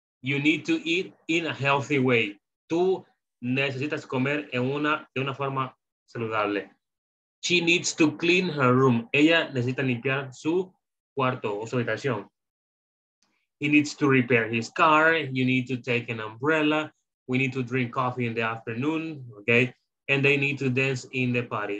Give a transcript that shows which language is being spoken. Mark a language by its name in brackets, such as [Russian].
[English] You need to eat in a healthy way. [Spanish] Tú necesitas comer en una, de una forma saludable. [English] She needs to clean her room. [Spanish] Ella necesita limpiar su cuarto o su habitación. [English] He needs to repair his car. You need to take an umbrella. We need to drink coffee in the afternoon, okay? And they need to dance in the party.